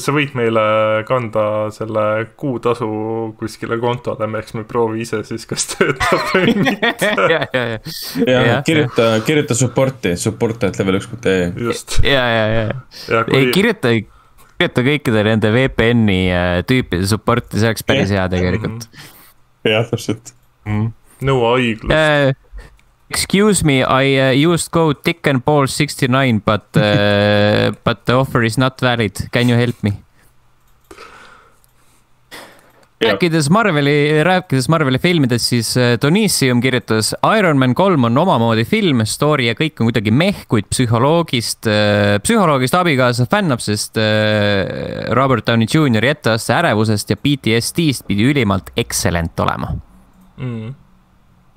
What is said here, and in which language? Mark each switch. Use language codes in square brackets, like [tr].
[et] sa võid meile kanda selle kuutasu kuskile kontole , eks me proovi ise siis , kas töötab või mitte . ja kirjuta supporti , support@level1.ee . just . kirjuta kõikide nende VPN-i tüüpide supporti , see oleks päris hea tegelikult . jah , täpselt . nõua õiglust . [en] Excuse me , I used code tickandball69 but the offer is not valid , can you help me ? [et] rääkides Marveli filmidest , siis Donissium kirjutas , Iron Man 3 on omamoodi film , story ja kõik on kuidagi meh , kuid psühholoogist abikaasa fännab , sest Robert Downey Jr. etteaste ärevusest ja PTSD-st pidi ülimalt excellent olema mm. .